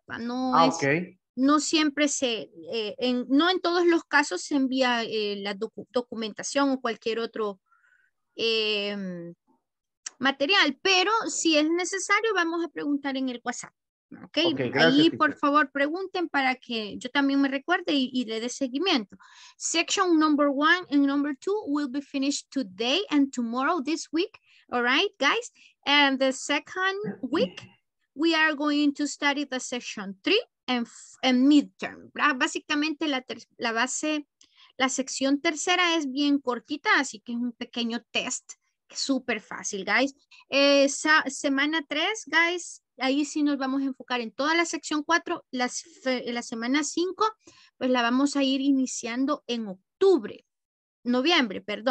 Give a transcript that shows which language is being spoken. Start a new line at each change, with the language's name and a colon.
Spanish: No en todos los casos se envía la documentación o cualquier otro material, pero si es necesario vamos a preguntar en el WhatsApp, ¿ok? Okay, gracias, ahí teacher. Por favor pregunten para que yo también me recuerde y le dé seguimiento.
English: Section number one and number two will be finished today and tomorrow this week, all right, guys? And the second week we are going to study the section 3 and midterm.
Spanish: Básicamente la sección tercera es bien cortita, así que es un pequeño test súper fácil, guys. Semana 3, guys, ahí sí nos vamos a enfocar en toda la sección 4. La semana 5, pues la vamos a ir iniciando en noviembre.